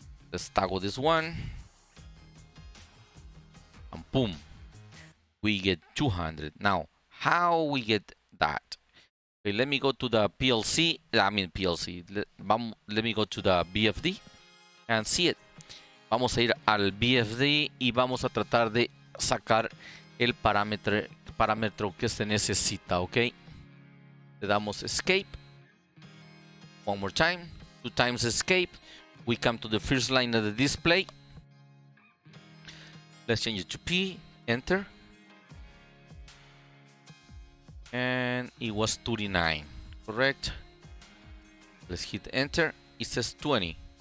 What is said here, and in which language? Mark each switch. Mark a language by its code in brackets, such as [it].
[en] Let's toggle this one. And boom, we get 200. Now, how we get that? Okay, let me go to the PLC, I mean PLC, let me go to the VFD and see it. [es] Vamos a ir al VFD y vamos a tratar de sacar el parámetro que se necesita, ok. Le damos escape, [en] one more time, two times escape, we come to the first line of the display. Let's change it to P, enter. And it was 29, correct? Let's hit enter. It says 20.